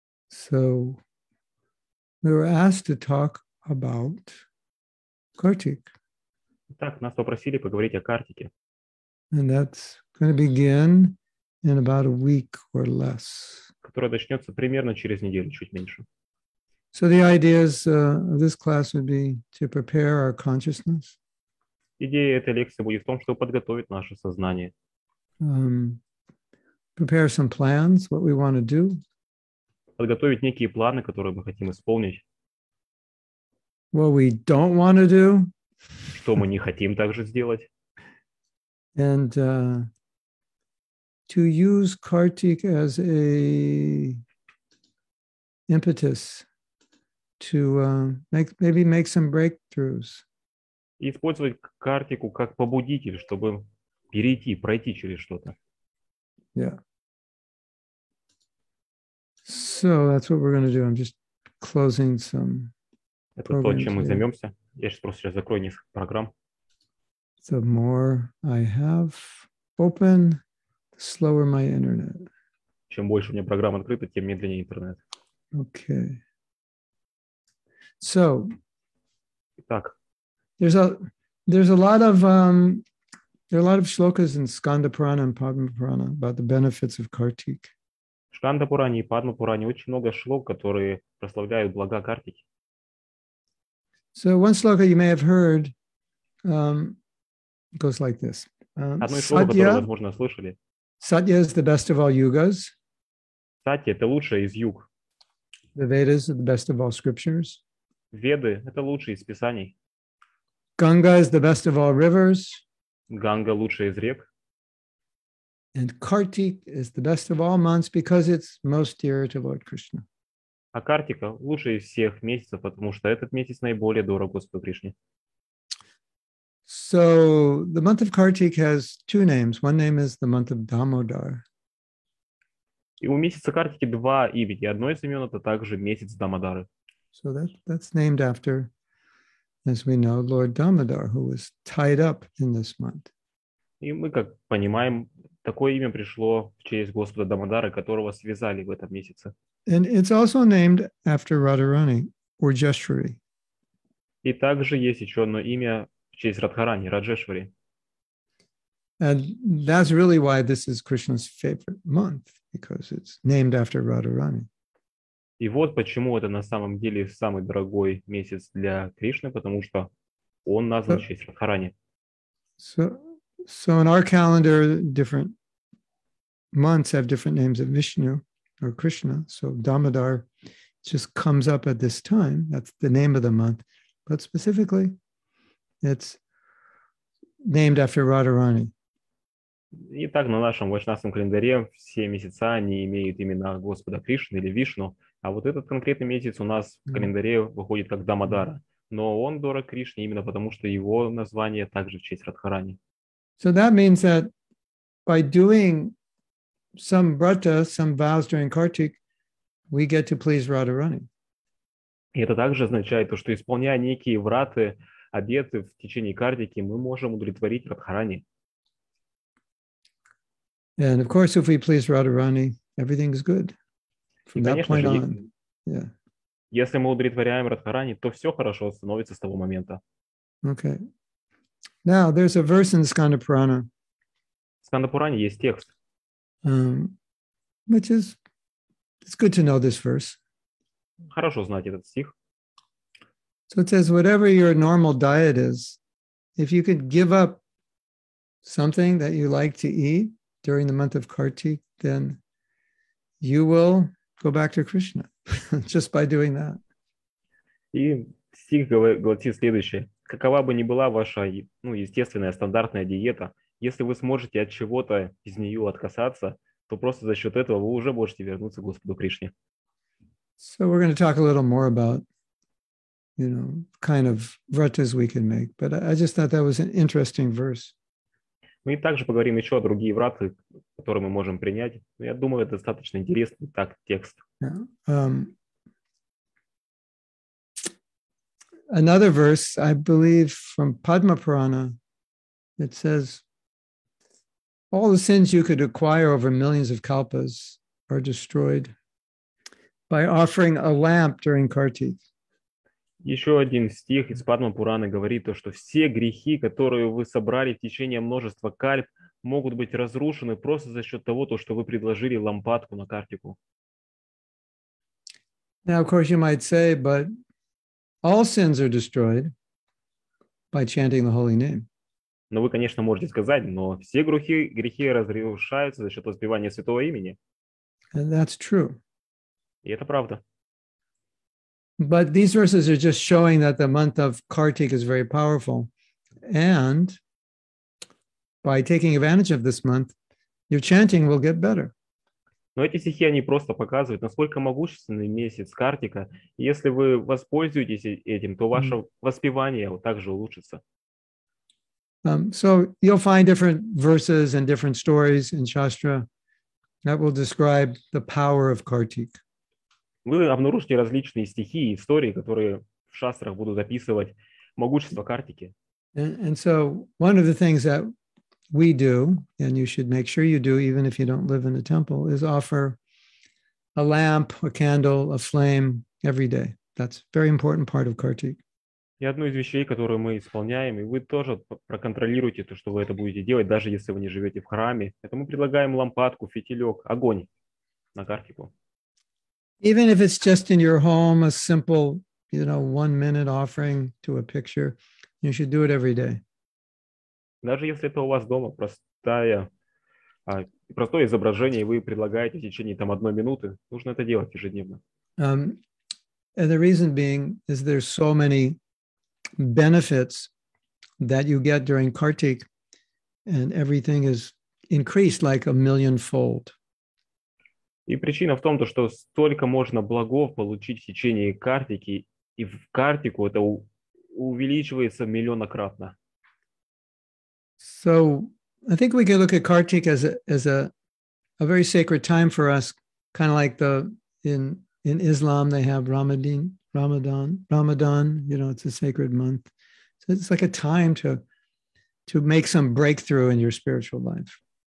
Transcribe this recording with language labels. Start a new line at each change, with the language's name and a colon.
English: So, we were asked to talk about Kartik.
Russian: Так, нас попросили поговорить о Картике.
English: And that's going to begin in about a week or less.
Russian: Которая начнется примерно через неделю, чуть меньше.
English: So the ideas of this class would be to prepare our consciousness.
Russian: Идея этой лекции будет в том, чтобы подготовить наше сознание.
English: Prepare some plans, what we want to do.
Russian: Подготовить некие планы, которые мы хотим исполнить.
English: What we don't want to do.
Russian: Что мы не хотим также сделать.
English: And to use Kartik as a impetus to make some breakthroughs.
Russian: Использовать Картику как побудитель, чтобы перейти, пройти через что-то.
English: Yeah. So that's what we're going to do. I'm just closing some.
Russian: Это то, чем мы займемся. Я сейчас просто сейчас закрою несколько программ.
English: The more I have open. Slower my internet.
Russian: Чем больше у меня программ открыто, тем медленнее интернет.
English: Okay. So.
Russian: Итак.
English: There are a lot of shlokas in Skanda Purana and Padma Purana about the benefits of Kartik.
Russian: В Шканда Пуране и Падма Пуране очень много шлок, которые прославляют блага Картики.
English: So one shloka you may have heard goes like this.
Russian: Одно из шлоков, которое, возможно, слышали.
English: Satya is the best of all yugas.
Russian: Кстати, это лучшее из юг.
English: The Vedas are the best of all scriptures.
Russian: Веды – это лучшее из писаний.
English: Ганга is the best of all rivers.
Russian: Ганга – лучшее из рек.
English: And Kartik is the best of all months because it's most dear to Lord Krishna.
Russian: А Картика – лучшее из всех месяцев, потому что этот месяц наиболее дорог Господу Кришне.
English: So, the month of Kartik has two names. One name is the month of Damodar.
Russian: И у месяца Картики два имени. Одно из имен – это также месяц Дамодары.
English: So that's named after, as we know, Lord Damodar, who was tied up in this month.
Russian: И мы, как понимаем, такое имя пришло в честь Господа Дамодары, которого связали в этом месяце.
English: And it's also named after Radharani, or Jeshwari.
Russian: И также есть еще одно имя в честь Радхарани, Раджешвари.
English: And that's really why this is Krishna's favorite month, because it's named after Radharani.
Russian: И вот почему это на самом деле самый дорогой месяц для Кришны, потому что он назван в честь Радхарани.
English: So in our calendar, different months have different names of Vishnu or Krishna. So Damodar just comes up at this time. That's the name of the month. But specifically, it's named after Radharani.
Russian: И так на нашем вайшнавском календаре все месяца они имеют имена Господа Кришны или Вишну, а вот этот конкретный месяц у нас в календаре выходит как Дамодара, но он дорог Кришне именно потому, что его название также в честь Радхарани.
English: So that means that by doing some vrata, some vows during Kartik, we get to please Radharani.
Russian: И это также означает то, что исполняя некие враты, обеты в течение Картики, мы можем удовлетворить Радхарани.
English: And of course, if we please Radharani, everything is good from that point on. Yeah.
Russian: Если мы удовлетворяем Радхарани, то все хорошо становится с того момента.
English: Okay. Now there's a verse in Skanda Purana.
Russian: В Skanda Purana есть текст.
English: Which is, it's good to know this verse.
Russian: Хорошо знать этот стих.
English: So it says, whatever your normal diet is, if you could give up something that you like to eat during the month of Kartik, then you will go back to Krishna just by doing that.
Russian: И стих гласит следующее. Какова бы ни была ваша, ну, естественная, стандартная диета, если вы сможете от чего-то из нее отказаться, то просто за счет этого вы уже можете вернуться к Господу Кришне.
English: So we're going to talk a little more about, you know, kind of vratas we can make. But I just thought that was an interesting verse.
Russian: Мы также поговорим еще о другие враты, которые мы можем принять. Я думаю, это достаточно интересный так текст.
English: Yeah. Another verse, I believe, from Padma Purana, it says, all the sins you could acquire over millions of kalpas are destroyed by offering a lamp during Kartik.
Russian: Еще один стих из Падма Пураны говорит то, что все грехи, которые вы собрали в течение множества кальп, могут быть разрушены просто за счет того, то, что вы предложили лампадку на Картику.
English: Now, of course, you might say, but all sins are destroyed by chanting the holy name.
Russian: Но вы, конечно, можете сказать, но все грехи разрушаются за счет воспевания святого имени.
English: And that's true.
Russian: И это правда.
English: But these verses are just showing that the month of Kartik is very powerful. And by taking advantage of this month, your chanting will get better.
Russian: Но эти стихи, они просто показывают, насколько могущественный месяц Картика. И если вы воспользуетесь этим, то ваше воспевание также улучшится.
English: So you'll find different verses and different stories in Shastra that will describe the power of Kartik.
Russian: Вы обнаружите различные стихи и истории, которые в шастрах будут описывать могущество Картики.
English: And so one of the things that we do, and you should make sure you do, even if you don't live in a temple, is offer a lamp, a candle, a flame every day. That's a very important part of Kartik.
Russian: И одну из вещей, которую мы исполняем, и вы тоже проконтролируете то, что вы это будете делать, даже если вы не живете в храме, это мы предлагаем лампадку, фитилек, огонь на Картику.
English: Even if it's just in your home, a simple, you know, 1 minute offering to a picture, you should do it every day.
Russian: Даже если это у вас дома простая простое изображение, и вы предлагаете в течение там одной минуты, нужно это делать ежедневно.
English: And the reason being is there's so many benefits that you get during Kartik, and everything is increased like a millionfold.
Russian: И причина в том, что столько можно благов получить в течение Картики, и в Картику это увеличивается миллионократно.
English: So I think we can look at Kartik as a very sacred time for us, kind of like the in Islam they have Ramadan, you know, it's a sacred month. So it's like a time to make some breakthrough in your spiritual life.